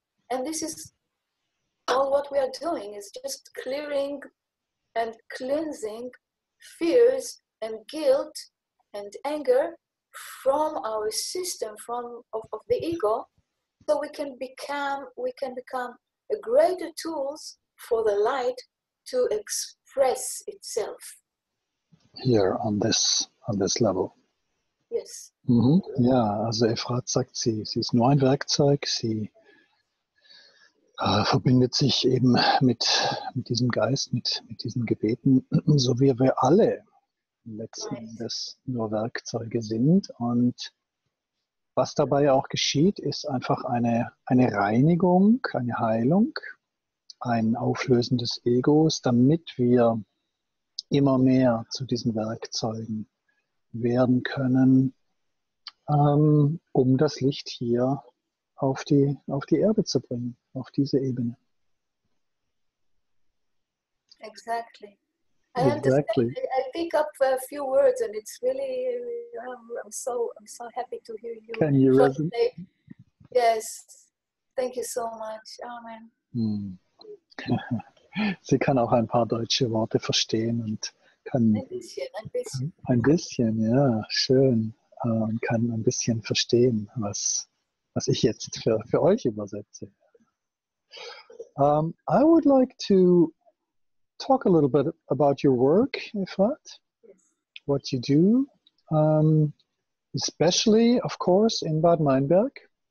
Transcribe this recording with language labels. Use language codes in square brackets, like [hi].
[en] And this is all what we are doing, is just clearing and cleansing fears and guilt and anger from our system, of the ego, so we can become a greater tools for the light to express itself here on this level. Yes. [de] Ja, also Efrat sagt, sie ist nur ein Werkzeug, sie verbindet sich eben mit diesem Geist, mit diesen Gebeten, so wie wir alle letzten Endes nur Werkzeuge sind. Und was dabei auch geschieht, ist einfach eine Reinigung, eine Heilung, ein Auflösen des Egos, damit wir immer mehr zu diesen Werkzeugen werden können, um das Licht hier auf die Erde zu bringen, auf diese Ebene. [en] Exactly. I pick up a few words, and it's really, I'm so happy to hear you. Can you resonate? Yes. Thank you so much. Amen. [de] Sie kann auch ein paar deutsche Worte verstehen und kann ein bisschen, ja, schön, und kann ein bisschen verstehen, was ich jetzt für euch übersetze. [en] I would like to talk a little bit about your work, Efrat, what you do, especially, of course, in Bad Meinberg.